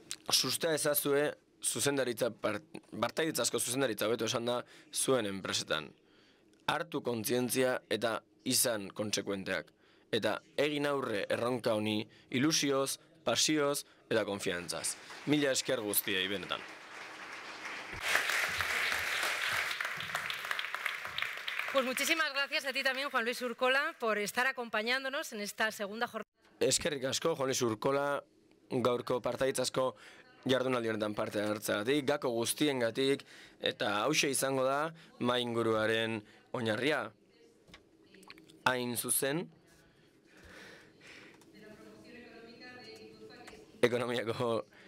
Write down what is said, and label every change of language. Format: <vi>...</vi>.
<eu>Sustea ezazue zuzendaritza, partaidetzazko zuzendaritza beto esan da zuen enpresetan. Hartu kontzientzia eta izan kontsekuenteak. Eta egin aurre erronka honi ilusioz, pasioz eta konfiantzaz. Mila esker guztiei benetan.</eu> <es>Pues muchísimas gracias a ti también, Juan Luis Urkola, por estar acompañándonos en esta segunda jornada.</es> <eu>Eskerrik asko, Juan Luis Urkola, gaurko partaidetzazko jardunaldi honetan parte hartzeagatik, gako guztiengatik, eta hauxe izango da mahai inguruaren oinarria. Hain zuzen, ekonomiako</eu>